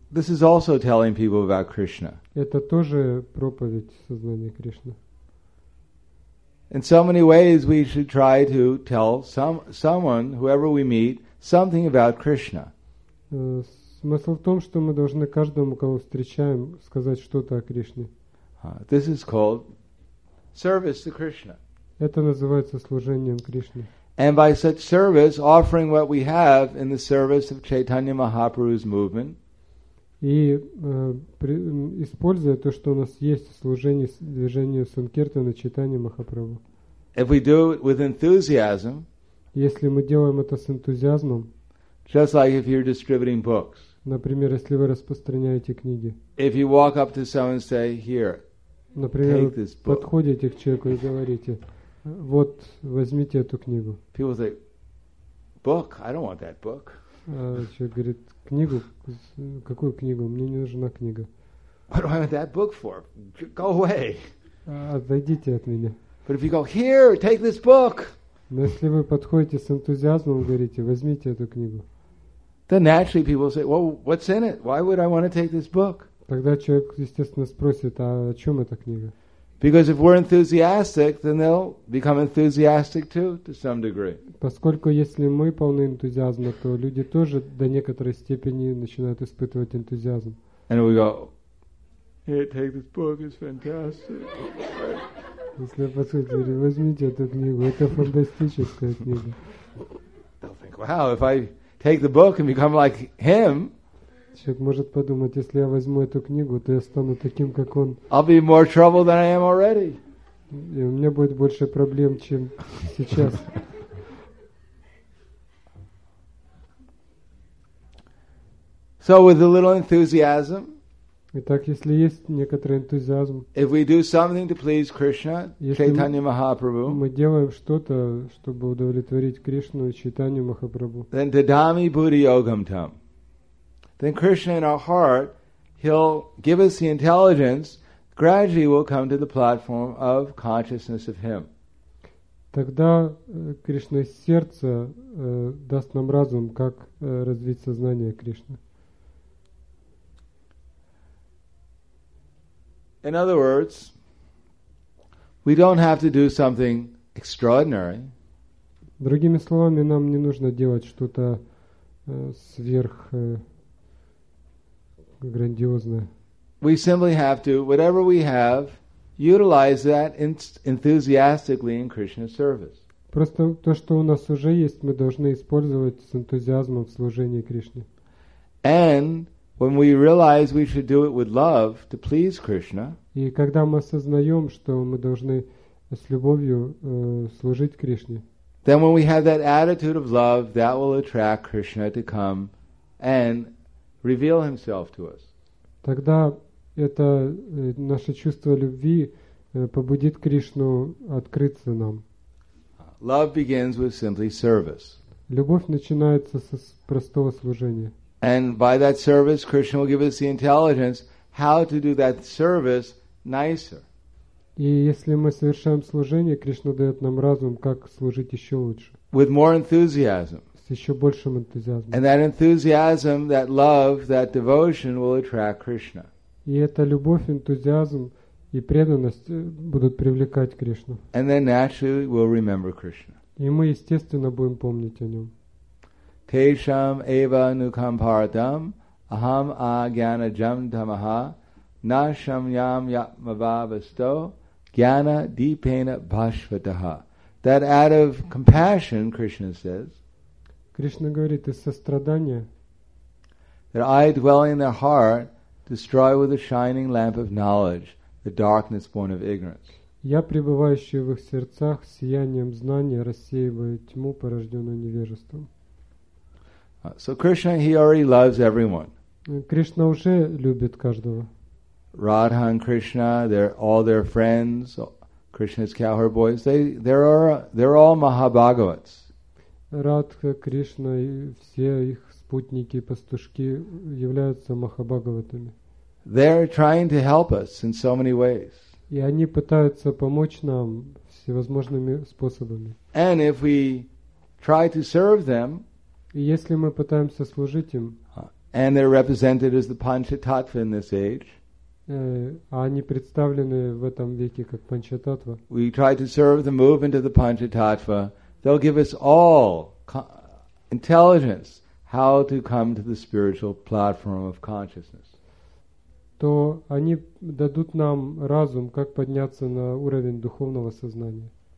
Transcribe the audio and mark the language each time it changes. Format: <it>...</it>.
<en>This is also telling people about Krishna.</en> <ru>Это тоже проповедь сознания Кришны.</ru> <en>In so many ways we should try to tell someone, whoever we meet, something about Krishna.</en> <ru>Смысл в том, что мы должны каждому, кого встречаем, сказать что-то о Кришне.</ru> <en>This is called service to Krishna.</en> <ru>Это называется служением Кришне.</ru> <en>And by such service, offering what we have in the service of Chaitanya Mahaprabhu's movement.</en> <ru>И используя то, что у нас есть в служении движению Санкиртана Чайтанья Махапрабху.</ru> <en>If we do it with enthusiasm.</en> <ru>Если мы делаем это с энтузиазмом.</ru> <en>Just like if you're distributing books.</en> <ru>Например, если вы распространяете книги.</ru> <en>If you walk up to someone and say, "Here,</en> <ru>например,</ru> <en>take this book."</en> <ru>Подходите к человеку и говорите: вот, возьмите эту книгу.</ru> <en>People say, "Book? I don't want that book."</en> <ru>Человек говорит: книгу? Какую книгу? Мне не нужна книга.</ru> <en>What do I want that book for? Go away.</en> <ru>Отойдите от меня.</ru> <en>But if you go, "Here, take this book."</en> <ru>Но если вы подходите с энтузиазмом и говорите: возьмите эту книгу.</ru> <en>Then naturally people say, "Well, what's in it? Why would I want to take this book?"</en> <ru>Тогда человек естественно спросит: а о чем эта книга?</ru> <en>Because if we're enthusiastic, then they'll become enthusiastic too, to some degree.</en> <ru>Поскольку если мы полны энтузиазма, то люди тоже до некоторой степени начинают испытывать энтузиазм.</ru> <en>And we go, "Here, take this book. It's fantastic."</en> <ru>Если я посмотрю, возьмите эту книгу, это фантастическая книга.</ru> <en>They'll think, "Wow, if I take the book and become like him."</en> <ru>Человек может подумать: если я возьму эту книгу, то я стану таким, как он.</ru> <en>I'll be more trouble than I am already.</en> <ru>И у меня будет больше проблем, чем сейчас.</ru> <en>So with a little enthusiasm.</en> <ru>Итак, если есть некоторый энтузиазм.</ru> <en>If we do something to please Krishna, Chaitanya Mahaprabhu.</en> <ru>Мы делаем что-то, чтобы удовлетворить Кришну и Чайтанью Махапрабху.</ru> <sa>Then Dadami Buddhi Yogam Tam.</sa> <en>Then Krishna in our heart, he'll give us the intelligence, gradually we'll come to the platform of consciousness of him.</en> <ru>Тогда Кришна из сердца даст нам разум, как развить сознание Кришны.</ru> <en>In other words, we don't have to do something extraordinary.</en> <ru>Другими словами, нам не нужно делать что-то сверх грандиозное.</ru> <en>We simply have to, whatever we have, utilize that enthusiastically in Krishna's service.</en> <ru>Просто то, что у нас уже есть, мы должны использовать с энтузиазмом в служении Кришне.</ru> <en>And when we realize we should do it with love to please Krishna.</en> <ru>И когда мы осознаем, что мы должны с любовью служить Кришне.</ru> <en>Then when we have that attitude of love, that will attract Krishna to come and reveal himself to us.</en> <ru>Тогда это наше чувство любви побудит Кришну открыться нам.</ru> <en>Love begins with simply service.</en> <ru>Любовь начинается с простого служения.</ru> <en>And by that service, Krishna will give us the intelligence how to do that service nicer.</en> <ru>И если мы совершаем служение, Кришна дает нам разум, как служить еще лучше.</ru> <en>With more enthusiasm.</en> <ru>С еще большим энтузиазмом.</ru> <en>And that enthusiasm, that love, that devotion will attract Krishna.</en> <ru>И эта любовь, энтузиазм и преданность будут привлекать Кришну.</ru> <en>And then naturally we'll remember Krishna.</en> <ru>И мы естественно будем помнить о нем.</ru> <sa>Tesham eva nukamparatam aham a jnana jam tamaha nasham yam yatmavavasto jnana deepena bhashvataha.</sa> <en>That out of compassion, Krishna says,</en> <ru>Krishna говорит из сострадания,</ru> <en>that I dwelling in their heart destroy with the shining lamp of knowledge the darkness born of ignorance.</en> <ru>Я, пребывающий в их сердцах, сиянием знания рассеиваю тьму, порожденную невежеством.</ru> <en>So Krishna, he already loves everyone.</en> <ru>Krishna уже любит каждого.</ru> <en>Radha and Krishna, they're all their friends. Krishna's cowherd boys, they're all Mahabhagavats.</en> <ru>Radha, Krishna и все их спутники, пастушки являются Махабхагаватами.</ru> <en>They're trying to help us in so many ways.</en> <ru>И они пытаются помочь нам всевозможными способами.</ru> <en>And if we try to serve them,</en> <ru>и если мы пытаемся служить им,</ru> <en>and they're represented as the Panchatattva in this age,</en> <ru>они представлены в этом веке как Панчататва.</ru> <en>We try to serve the movement of the Panchatattva, they'll give us all intelligence how to come to the spiritual platform of consciousness.</en> <ru>То они дадут нам разум, как подняться на уровень духовного сознания.</ru>